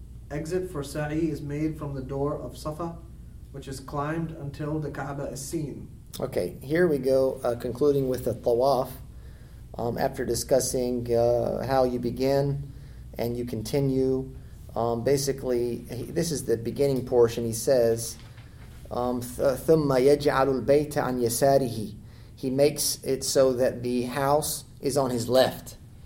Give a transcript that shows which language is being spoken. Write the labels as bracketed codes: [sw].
[en] Exit for sa'i is made from the door of Safa, which is climbed until the Kaaba is seen. Okay, here we go, concluding with the tawaf. After discussing how you begin and you continue, basically, this is the beginning portion. He says, [ar] ثُمَّ يَجْعَلُ الْبَيْتَ عَنْ يَسَارِهِ. [en] He makes it so that the house is on his left.